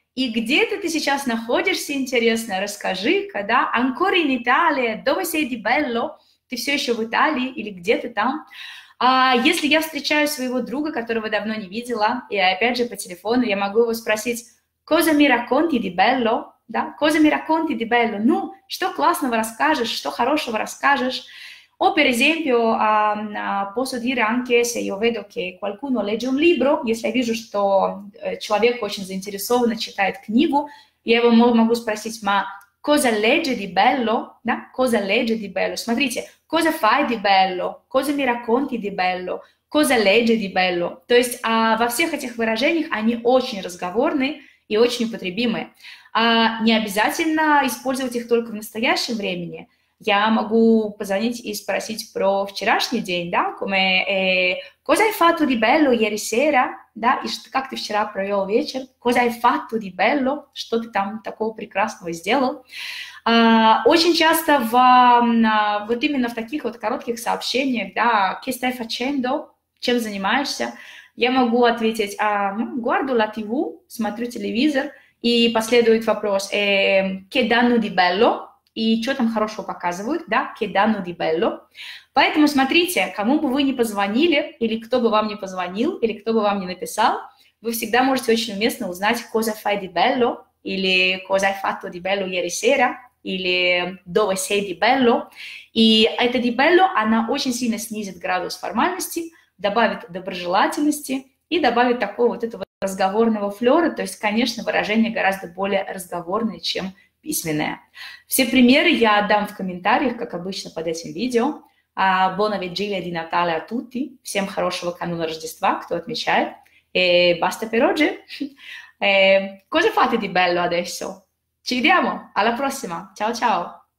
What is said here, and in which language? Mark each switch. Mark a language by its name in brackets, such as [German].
[Russian] И где ты сейчас находишься, интересно, расскажи-ка, да? [Italian] «Ancora in Italia, dove sei di bello?» [Russian] Ты все еще в Италии или где ты там? Если я встречаю своего друга, которого давно не видела, и опять же по телефону, я могу его спросить [Italian] «Cosa mi racconti di bello?» [Russian] Да? [Italian] «Cosa mi racconti di bello?» [Russian] Ну, что классного расскажешь, что хорошего расскажешь? [Italian] O per esempio, posso dire anche se io vedo che qualcuno legge un libro, io se vedo che [Russian] человек очень заинтересованно читает книгу, я его могу спросить [Italian] «Ma cosa legge di bello?» [Russian] Да? [Italian] «Cosa legge di bello?» [Russian] Смотрите, [Italian] «Cosa fai di bello?» «Cosa mi racconti di bello?» «Cosa legge di bello?» [Russian] То есть во всех этих выражениях они очень разговорные и очень употребимые. Не обязательно использовать их только в настоящем времени. Я могу позвонить и спросить про вчерашний день, да? [Italian] «Cosa hai fatto di bello ieri sera?» [Russian] Да? И как ты вчера провел вечер? [Italian] «Cosa hai fatto di bello?» [Russian] Что ты там такого прекрасного сделал? Очень часто вот именно в таких вот коротких сообщениях, да, [Italian] «Che stai facendo?» [Russian] Чем занимаешься? Я могу ответить [Italian] «Guardo la TV», [Russian] смотрю телевизор, и последует вопрос [Italian] «Che danno di bello?» [Russian] И что там хорошего показывают, да? [Italian] Che danno di bello. [Russian] Поэтому смотрите, кому бы вы ни позвонили, или кто бы вам ни позвонил, или кто бы вам ни написал, вы всегда можете очень уместно узнать [Italian] «Cosa fai di bello?» [Russian] или [Italian] «Cosa hai fatto di bello ieri sera?» или «Dove sei di bello?». [Russian] И эта «di bello» она очень сильно снизит градус формальности, добавит доброжелательности и добавит такого вот этого разговорного флера. То есть, конечно, выражение гораздо более разговорное, чем письменное. Все примеры я дам в комментариях, как обычно, под этим видео. [Italian] Buona vigilia di Natale a tutti. [Russian] Всем хорошего кануна Рождества, кто отмечает. [Italian] E basta per oggi. Cosa fate di bello adesso? Ci vediamo, alla prossima. Ciao, ciao.